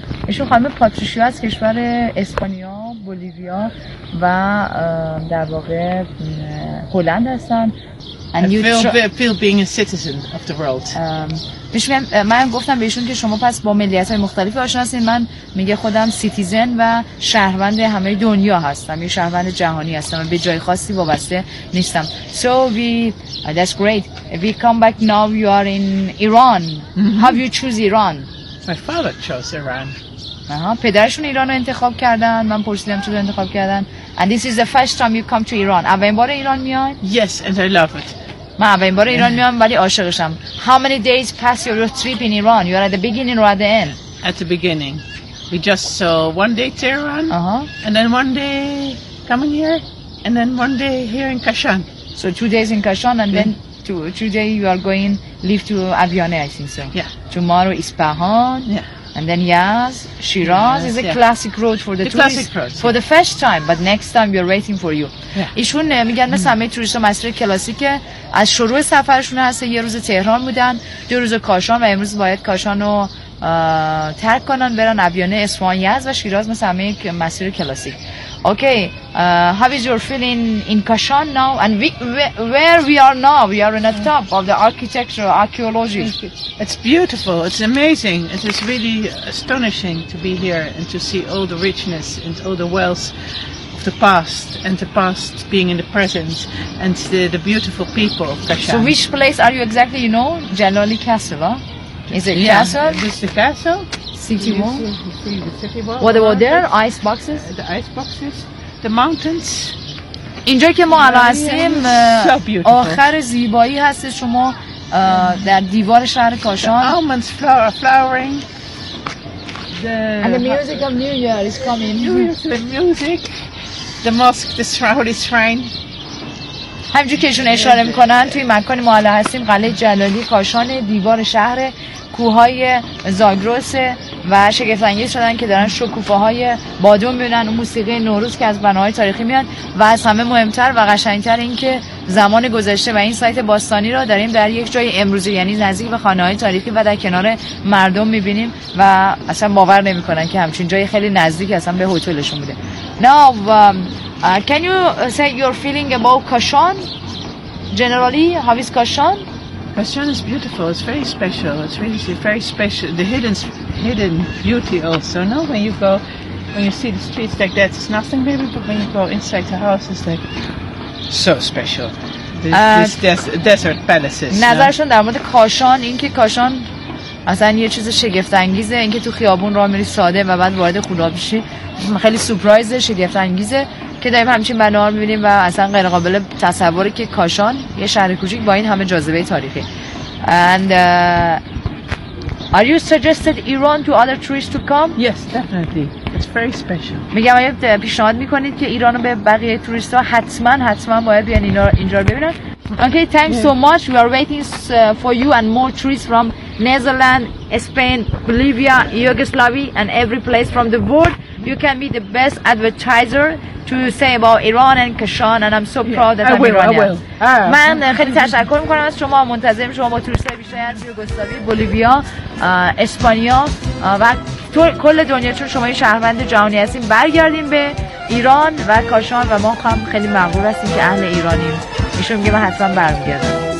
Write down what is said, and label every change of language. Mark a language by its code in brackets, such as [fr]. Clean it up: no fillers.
[fa] ایشون خانم پاتریشیا از کشور اسپانیا، بولیویا و در واقع هلند هستن. [en] I feel being a citizen of the world. [fa] من گفتم بهشون که شما پس با ملیت‌های مختلف آشنا هستین. من میگه خودم سیتیزن و شهروند همه دنیا هستم، یه شهروند جهانی هستم، به جای خاصی وابسته نیستم. [en] So we that's great. We come back now, you are in Iran. Have you choose Iran? My father chose Iran. [fa] پدرشون ایران رو انتخاب کردن. من پرسیدم چطور انتخاب کردن. [en] And this is the first time you come to Iran. [fa] اولین بار ایران میای؟ [en] Yes, and I love it. [fa] من اولین بار ایران میام ولی عاشقشم. [en] How many days pass your trip in Iran? You are at the beginning or at the end? At the beginning. We just saw one day Tehran. And then one day coming here. And then one day here in Kashan. So 2 days in Kashan and then... Today you are going live to Aviane, I think so. Yeah. Tomorrow Isfahan. Yeah. And then Yaz, Shiraz is a classic road for the tourists. Classic road. For the first time, but next time we are waiting for you. Yeah. [fa] ایشون میگن مثل همه توریست ها مسیر کلاسیکه. از شروع سفرشون هست یه روز تهران بودن، 2 روز کاشان و امروز باید کاشان رو ترک کنن برن اویانه، اصفهان، یزد و شیراز مثل همه مسیر کلاسیک. [en] Okay, how is your feeling in Kashan now? And where we are now? We are in the top of the architecture, archaeology. It's beautiful. It's amazing. It is really astonishing to be here and to see all the richness and all the wealth of the past and the past being in the present and the beautiful people of Kashan. So which place are you exactly, you know? Jalali Castle, huh? Is it castle? This is the castle. City wall? See the city wall. What about there? Ice boxes? The ice boxes. The mountains. [fa] اینجا که ما الان هستیم آخر زیبایی هست. شما در دیوار شهر کاشان [en] almonds flower, flowering and the music of New Year is coming. The music, the mosque, the holy shrine. [fa] همجور که ایشون اشاره میکنن توی مکان ما الان هستیم قلعه جلالی کاشان، دیوار شهر، کوههای زاگرس و شگفت‌انگیز شدن که دارن شکوفه‌های بادوم می‌بینن، موسیقی نوروز که از بناهای تاریخی میاد و از همه مهمتر و قشنگ‌تر این که زمان گذشته و این سایت باستانی را داریم در یک جای امروزی، یعنی نزدیک به خانه‌های تاریخی و در کنار مردم می‌بینیم و اصلا باور نمی‌کنن که همچین جای خیلی نزدیک اصلا به هتلشون بوده. [en] Now can you say your feeling about Kashan generally? How is Kashan? Kashan is beautiful. It's very special. It's really very special. The hidden beauty also. No, when you go, when you see the streets like that, it's nothing maybe. But when you go inside the house, it's like so special. This desert palaces. [fa] نظرشون در مورد کاشان این که کاشان اصلا یه چیز شگفت انگیزه، اینکه تو خیابون راه میری ساده و بعد وارد خونه میشی، خیلی سورپرایز شگفت انگیزه که داریم همچین بنا رو میبینیم و اصلا غیر قابل تصوره که کاشان یه شهر کوچیک با این همه جاذبه تاریخی. [en] And are you suggested Iran to other tourists to come? Yes, definitely. It's very special. [fa] میگم اگه پیشنهاد میکنید که ایرانو به بقیه توریست ها حتما حتما باید بیان اینجا رو ببینن. [en] Okay, thanks so much. We are waiting for you and more tourists from Netherlands, Spain, Bolivia, Yugoslavia and every place from the world. You can be the best advertiser to say about Iran and Kashan and I'm so proud that I'm Iranian. [fa] من خیلی تشکر میکنم از شما، منتظرم شما با توریست های بیشتر از یوگسلاوی، بولیویا، اسپانیا و کل دنیا، چون شما این شهروند جهانی هستیم، برگردیم به ایران و کاشان و ما هم خیلی مغرور هستیم که اهل ایرانیم. ایشون میگه من حتما برمیگردم.